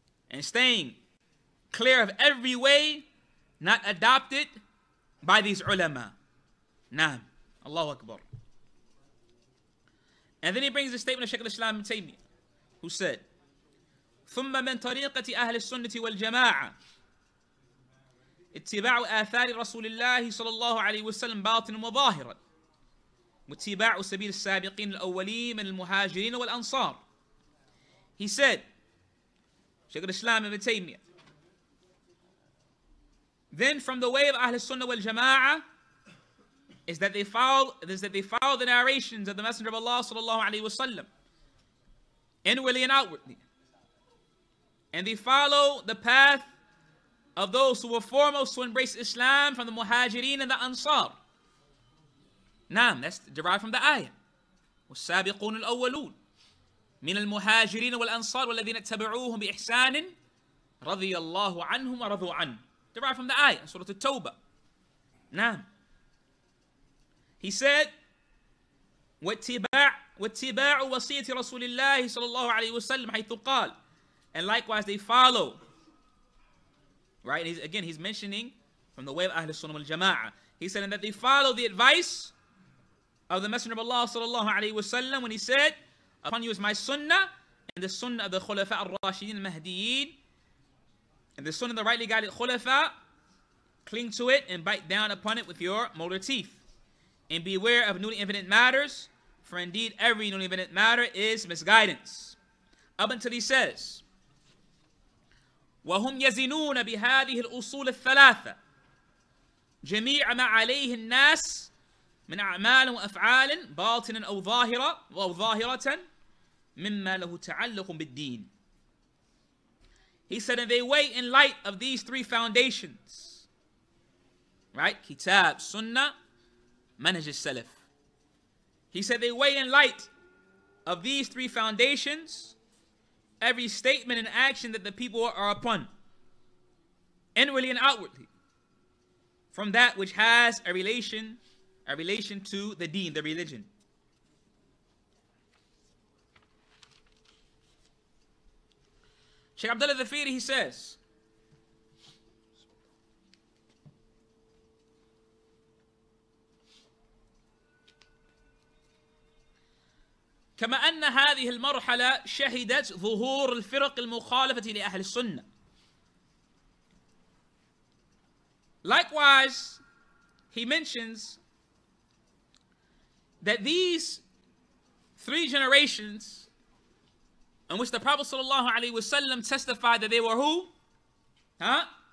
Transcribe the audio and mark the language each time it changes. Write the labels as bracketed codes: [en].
[en] And staying clear of every way not adopted by these ulama. [ar] Naam. Allahu Akbar. [en] And then he brings the statement of Shaykh al-Islam ibn Taymiyyah, who said, [ar] ثُمَّ مِنْ طَرِيقَةِ أَهْلِ السُّنَّةِ وَالْجَمَاعَةِ اتِّبَاعُ آثَارِ رَسُولِ اللَّهِ صَلَى اللَّهُ عَلَيْهِ وَسَلَّمْ بَاطِنٌ وَظَاهِرًا وَاتِّبَاعُ سَبِيلِ السَّابِقِينَ الْأَوَّلِينَ مِنَ الْمُهَاجِرِينَ وَالْأَنصَارِ. [en] He said, Shaykh al-Islam ibn Taymiyyah, then from the way of Ahl al-Sunnah wal-Jama'ah is that they follow the narrations of the Messenger of Allah sallallahu alayhi wasallam, inwardly and outwardly, and they follow the path of those who were foremost to embrace Islam from the Muhajireen and the Ansar. Naam, that's derived from the ayah. [ar] وَالسَّابِقُونَ الْأَوَّلُونَ مِنَ الْمُهَاجِرِينَ وَالْأَنصَارِ وَالَّذِينَ اتَّبَعُوهُمْ بِإِحْسَانٍ رَضِيَ اللَّهُ عَنْهُمْ وَرَضُوا عَنْهُ. [en] Derived from the ayah, Surah At-Tawbah. Naam. He said, [ar] وَاتِّبَاعُ وَصِيَّةِ رَسُولِ اللَّهِ صَلَى اللَّهُ عَلَيْهِ وَسَلَّمْ حَيْثُ قَالَ. [en] And likewise, they follow. Right? He's mentioning from the way of Ahl al-Sunnah wal-Jama'ah. He said, and that they follow the advice of the Messenger of Allah sallallahu alayhi wa sallam, when he said, upon you is my sunnah, and the sunnah of the Khulafa al-Rashidin al-Mahdiyin, and the sunnah of the rightly guided Khulafa, cling to it and bite down upon it with your molar teeth. And beware of newly invented matters, for indeed every newly invented matter is misguidance. Up until he says, [ar] وَهُمْ يَزِنُونَ بِهَذِهِ الْأُصُولِ الثَّلَاثَةِ جَمِيعَ مَا عَلَيْهِ النَّاسِ مِنْ أَعْمَالٍ وَأَفْعَالٍ بَاطِنًا أَوْ ظَاهِرَةً مِمَّا لَهُ تَعَلُّقٌ بِالدِّينِ. [en] He said, and they weigh in light of these three foundations. Right? Kitab, Sunnah, manhaj al-Salaf. He said they weigh in light of these three foundations every statement and action that the people are upon, inwardly and outwardly, from that which has a relation to the deen, the religion. Sheikh Abdullah Zafiri, he says, [ar] كما أن هذه المرحلة شهدت ظهور الفرق المخالفة لأهل السنة. [en] Likewise, he mentions that these three generations in which the Prophet sallallahu alaihi wasallam testified that they were who? Huh?